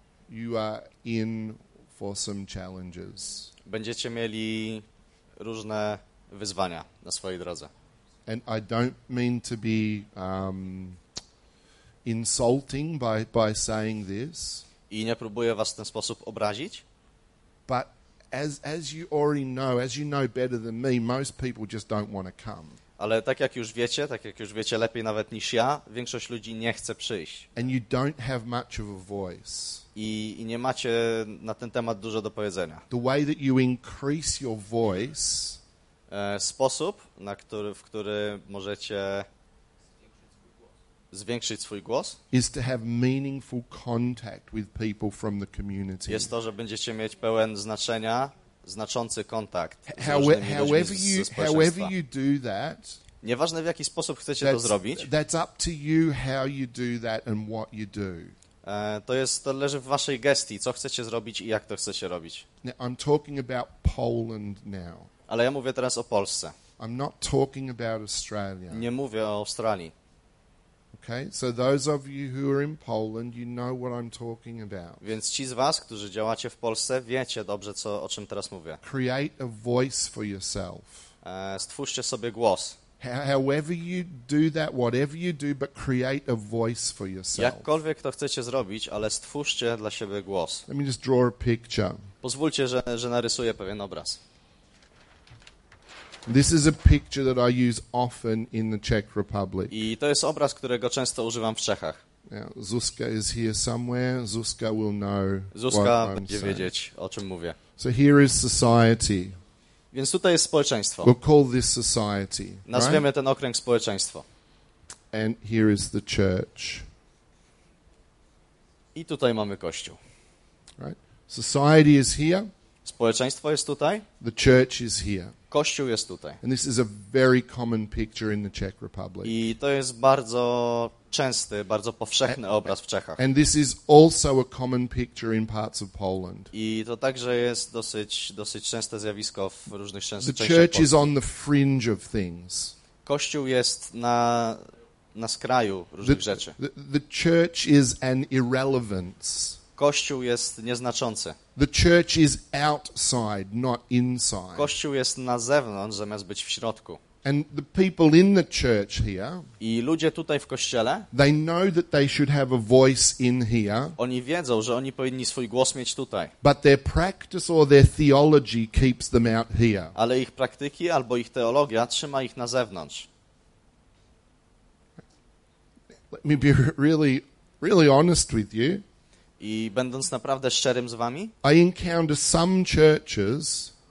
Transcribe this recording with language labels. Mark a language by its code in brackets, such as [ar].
[en] You are in for some challenges. [pl] Będziecie mieli różne wyzwania na swojej drodze. [en] And I don't mean to be insulting by saying this. [pl] I nie próbuję was w ten sposób obrazić. [en] But as you already know, as you know better than me, most people just don't want to come. [pl] Ale tak jak już wiecie lepiej nawet niż ja, większość ludzi nie chce przyjść. [en] And you don't have much of a voice. [pl] I nie macie na ten temat dużo do powiedzenia. [en] The way that you increase your voice, [pl] sposób, na który, w który możecie zwiększyć swój głos, [en] is to have meaningful contact with people from the community. [pl] Jest to, że będziecie mieć pełen znaczący kontakt z społeczeństwa. [en] However you do that, [pl] nieważne w jaki sposób chcecie to zrobić, [en] that's up to you how you do that and what you do. [pl] To leży w waszej gestii, co chcecie zrobić i jak to chcecie robić. [en] Now, I'm talking about Poland now. [pl] Ale ja mówię teraz o Polsce. [en] I'm not talking about Australia. [pl] Nie mówię o Australii. [en] Okay, so those of you who are in Poland, you know what I'm talking about. [pl] Więc ci z was, którzy działacie w Polsce, wiecie dobrze, co, o czym teraz mówię. [en] Create a voice for yourself. [pl] Stwórzcie sobie głos. [en] However you do that, whatever you do, but create a voice for yourself. [pl] Jakkolwiek to chcecie zrobić, ale stwórzcie dla siebie głos. [en] Let me just draw a picture. [pl] Pozwólcie, że narysuję pewien obraz. [en] This is a picture that I use often in the Czech Republic. [pl] I to jest obraz, którego często używam w Czechach. [en] Now, Zuzka is here somewhere. Zuzka will know. Zuzka what [pl] będzie [en] I'm saying. [pl] Wiedzieć, o czym mówię. [en] So here is society. [pl] Więc tutaj jest społeczeństwo. [en] We'll call this society. [pl] Nazwiemy [en] right? [pl] ten okręg społeczeństwo. [en] And here is the church. [pl] I tutaj mamy kościół. [en] Right? Society is here. [pl] Społeczeństwo jest tutaj. [en] The church is here. [pl] Kościół jest tutaj. [en] And this is a very common picture in the Czech Republic. [pl] I to jest bardzo częsty, bardzo powszechny obraz w Czechach. [en] And this is also a common picture in parts of Poland. [pl] I to także jest dosyć częste zjawisko w różnych częściach [en] Polski. The church is on the fringe of things. [pl] Kościół jest na skraju różnych rzeczy. [en] The church is an irrelevance. [pl] Kościół jest nieznaczący. [en] The church is outside, not inside. [pl] Kościół jest na zewnątrz, zamiast być w środku. [en] And the people in the church here, [pl] i ludzie tutaj w kościele, [en] they know that they should have a voice in here. [pl] Oni wiedzą, że oni powinni swój głos mieć tutaj. [en] But their practice or their theology keeps them out here. [pl] Ale ich praktyki albo ich teologia trzyma ich na zewnątrz. [en] Let me be really, really honest with you. [pl] I będąc naprawdę szczerym z wami, [en] I encounter some churches,